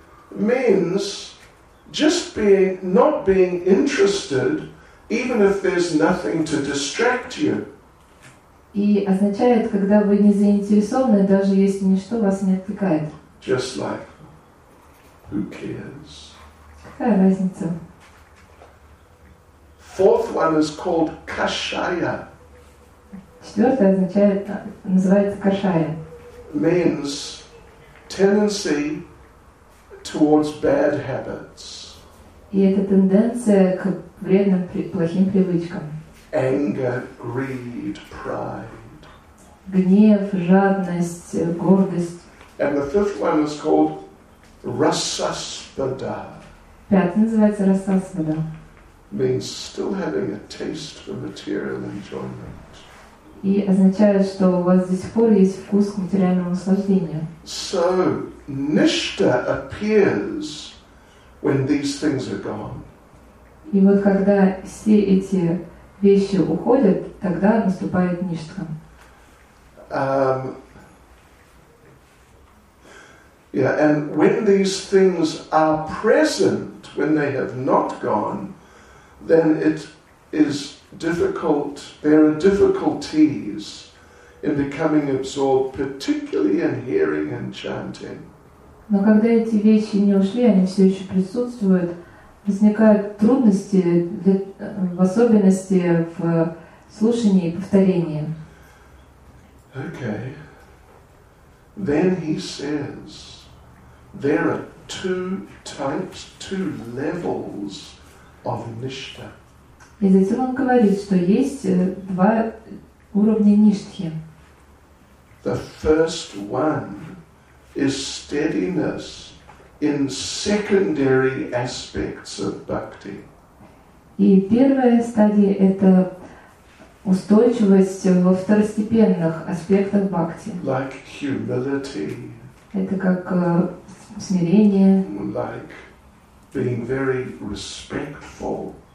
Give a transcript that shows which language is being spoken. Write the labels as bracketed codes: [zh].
[en] Means just being, not being interested, even if there's nothing to distract you. [ru] И означает, когда вы не заинтересованы, даже если ничто вас не отвлекает. [en] Just like, who cares? [ru] Какая разница? [en] Fourth one is called kashaya. [ru] Четвертое означает, называется kashaya. [en] Means tendency towards bad habits. [ru] И это тенденция к вредным, плохим привычкам. [en] Anger, greed, pride. [ru] Гнев, жадность, гордость. [en] And the fifth one is called rasaspada. [ru] Пятый называется rasaspada. [en] Means still having a taste for material enjoyment. [ru] И означает, что у вас до сих пор есть вкус к материальному наслаждению. [en] So nishta appears when these things are gone. [ru] И вот когда все эти вещи уходят, тогда наступает ништха. [en] Yeah, and when these things are present, when they have not gone, then it is difficult, there are difficulties in becoming absorbed, particularly in hearing and chanting. [ru] Но когда эти вещи не ушли, они все еще присутствуют, возникают трудности, в особенности в слушании и повторении. [en] Okay. Then he says, there are two types, two levels of nishtha. [ru] И затем он говорит, что есть два уровня ништхи. [en] The first one is steadiness in secondary aspects of bhakti. [ru] И первая стадия – это устойчивость во второстепенных аспектах бхакти. [en] Like humility. [ru] Это как смирение. [en] Like being very respectful.